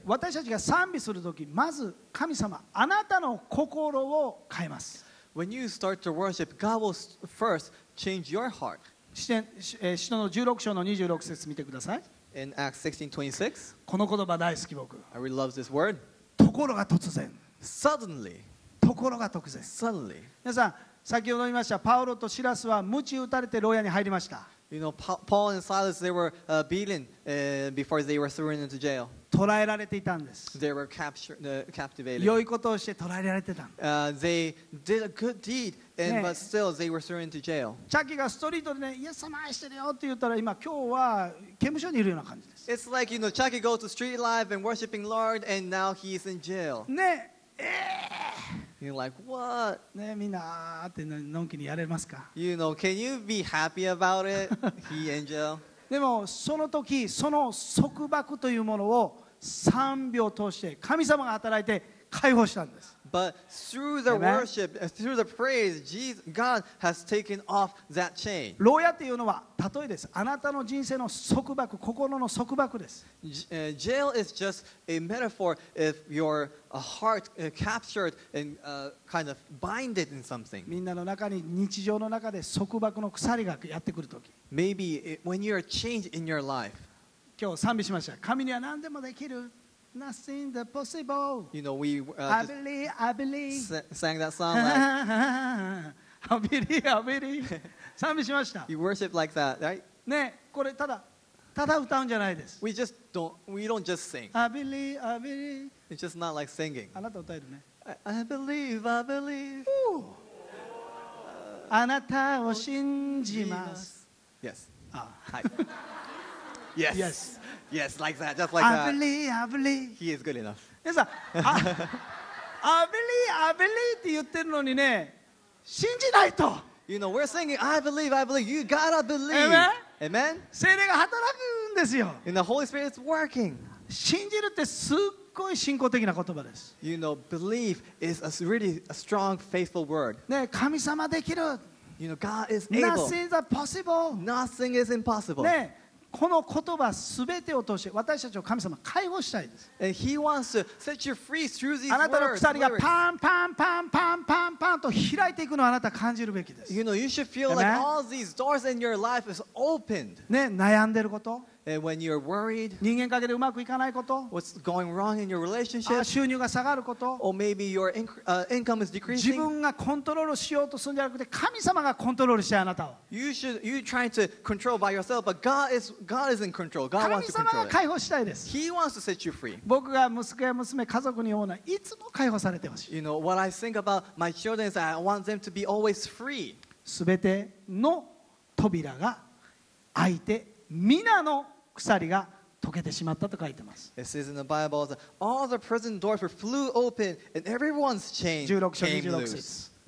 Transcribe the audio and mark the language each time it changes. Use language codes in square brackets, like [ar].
[ja] 私たちが賛美するとき、まず神様、あなたの心を変えます。 [en] When you start to worship, God will first change your heart. [ja] 使徒の16章の26節見てください。 [en] In Acts 16:26. [ja] この言葉大好き僕。 [en] I really love this word. [ja] ところが突然。 [en] Suddenly. [ja] ところが突然。 [en] Suddenly. [ja] 皆さん、先ほど言いました、パウロとシラスは鞭打たれて牢屋に入りました。 [en] You know, Paul and Silas, they were beaten before they were thrown into jail. [ja] 捕らえられていたんです。 [en] They were captivated. [ja] 良いことをして捕らえられてた。 [en] They did a good deed, and、ね、but still they were thrown into jail. [ja] チャキがストリートでね、イエス様愛してるよって言ったら、今日は刑務所にいるような感じです。 [en] It's like, you know, Chucky goes to street life and worshiping Lord, and now he's in jail. [ja] ね、 [en] You're like, what? [ja] ね、みんなってのんきにやれますか？ [en] You know, can you be happy about it, he angel? [ja] でもその時、その束縛というものを賛美を通して神様が働いて解放したんです。 [en] But through the worship, through the praise, Jesus, God has taken off that chain. [ja] 牢屋っていうのは例えです。あなたの人生の束縛、心の束縛です。 [en] Jail is just a metaphor if your heart captured and kind of binded in something. [ja] みんなの中に日常の中で束縛の鎖がやってくるとき。 [en] Maybe when you are changed in your life. [ja] 今日賛美しました。神には何でもできる。 [en] Nothing the possible. You know, we I believe. Sang that song like. I believe. [ja] 賛美しました。 [en] You worship like that, right? [ja] ね、これただ歌うんじゃないです。 [en] We don't just sing. I believe. It's just not like singing. [ja] あなた歌えるね。 [en] I believe. [ja] あなたを信じます。 [en] Yes. [ja] はい。 [en] Yes. Yes. Yes, like that, just like that. I believe. He is good enough. Yes, I believe. [ja] って言ってるのにね、信じないと。 [en] You know, we're singing, I believe. You gotta believe. [ja] Amen. 聖霊が働くんですよ。 [en] And the Holy Spirit is working. [ja] 信じるってすっごい信仰的な言葉です。 [en] You know, believe is a really a strong, faithful word. [ja] ね、神様できる。 [en] You know, God is able. Nothing is impossible. Nothing is impossible. [ja] ね。この言葉すべてを通して私たちを神様解放したいです。 [en] And he wants to set you free through these words. [ja] あなたの鎖がパンパンパンパンパンパンと開いていくのをあなた感じるべきです。 [en] You know, you should feel like all these doors in your life is opened. [ja] ね、悩んでること。 [en] When you're worried, [ja] 人間関係でうまくいかないこと、 [en] what's going wrong in your relationship, [ja] 収入が下がること、 [en] or maybe your income is decreasing, [ja] 自分がコントロールしようとするんじゃなくて、神様がコントロールしてあなたを。 [en] You try to control by yourself, but God is in control. God wants to control it. [ja] 神様が解放したいです。 [en] He wants to set you free. [ja] 僕が息子や娘、家族に言うのは、いつも解放されてほしい。 [en] You know, what I think about my children is I want them to be always free. [ja] 全ての扉が開いて、皆の鎖が解けてしまったと書いてます。 [en] It says in the Bible that all the prison doors were flew open and everyone's chains came loose.